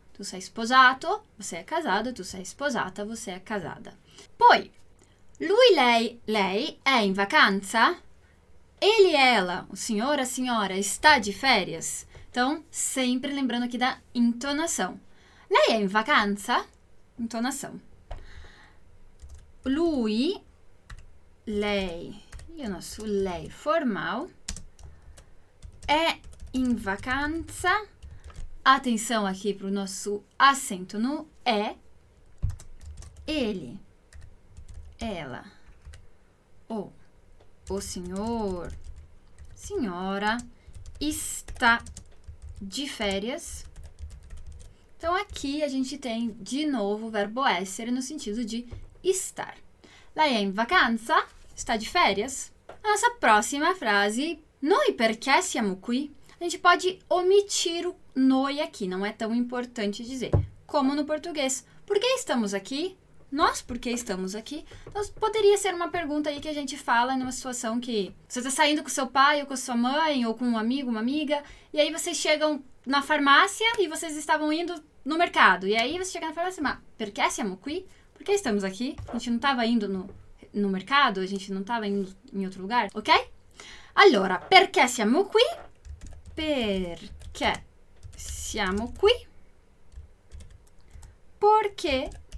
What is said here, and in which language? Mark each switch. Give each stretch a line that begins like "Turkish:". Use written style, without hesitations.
Italian: Tu sei sposato,
Portuguese: você é casado.
Italian: Tu sei sposata,
Portuguese: você é casada.
Italian: Poi, lui, lei è in vacanza?
Portuguese: Ele, ela, o senhor, a senhora, está de férias? Então, sempre lembrando aqui da entonação.
Italian: Lei è in vacanza? Entonação. Lui, lei,
Portuguese: e o nosso lei formal,
Italian: è in vacanza.
Portuguese: Atenção aqui para o nosso acento no è. Ele, ela, ou o senhor, senhora, está de férias. Então, aqui a gente tem de novo o verbo essere no sentido de estar.
Italian: Lei è in vacanza?
Portuguese: Está de férias? A nossa próxima frase:
Italian: noi perché siamo qui?
Portuguese: A gente pode omitir o noi aqui, não é tão importante dizer. Como no português: por que estamos aqui? Nós por que estamos aqui? Então, poderia ser uma pergunta aí que a gente fala numa situação que você está saindo com seu pai ou com sua mãe ou com um amigo, uma amiga, e aí vocês chegam na farmácia e vocês estavam indo no mercado. E aí você chega na farmácia, mas por que
Italian: siamo qui?
Portuguese: Por que estamos aqui? A gente não estava indo no mercado, a gente não estava indo em outro lugar, ok?
Italian: Allora, perché siamo qui? Perché siamo qui? Perché